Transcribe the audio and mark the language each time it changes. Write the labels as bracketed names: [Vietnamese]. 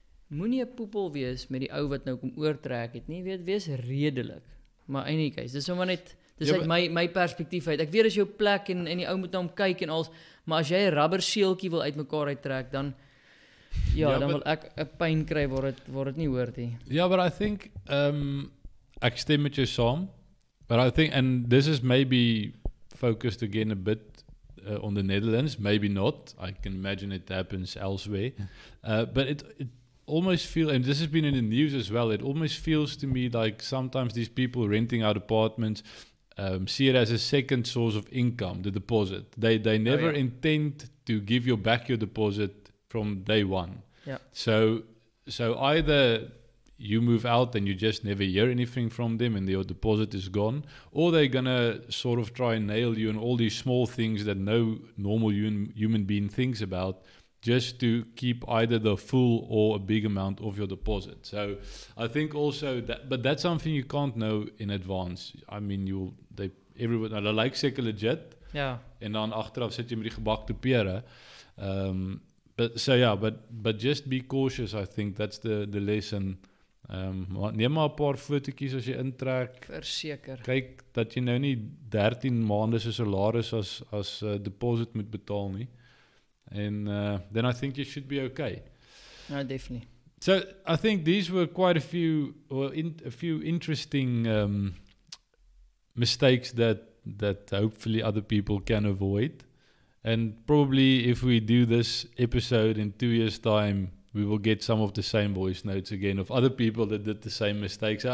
[Afrikaans] Moenie 'n poepel wees met die ou wat nou kom oortrek het nie. Weet, wees redelik. Maar in die case, dis uit my perspektief uit. Ek weet as jou plek en die ou moet na hom kyk en als, maar as jy 'n rubber seeltjie wil uitmekaar uittrek, dan ja, dan wil ek 'n pyn kry waar dit nie hoort nie. Ja, [English] but I think [Afrikaans] ek stem met jou saam. [English] But I think, and this is maybe focused again a bit on the Netherlands, maybe not. I can imagine it happens elsewhere. But it almost feels, and this has been in the news as well, it almost feels to me like sometimes these people renting out apartments see it as a second source of income, the deposit. They never intend to give you back your deposit from day one. Yeah. So either you move out and you just never hear anything from them and your deposit is gone, or they're gonna sort of try and nail you in all these small things that no normal human being thinks about just to keep either the full or a big amount of your deposit. So I think also but that's something you can't know in advance. I mean, everyone like seker legit. Yeah. [Afrikaans] En dan agteraf sit jy met die gebakte pere. [English] But just be cautious, I think. That's the lesson. [Afrikaans] Neem maar 'n paar fotootjies as jy intrek. Verseker. Kyk dat jy nou nie 13 maande se salaris as deposit moet betaal nie. [English] And then I think you should be okay. No, definitely. So I think these were quite a few interesting mistakes that hopefully other people can avoid. And probably if we do this episode in 2 years' time, we will get some of the same voice notes again of other people that did the same mistakes.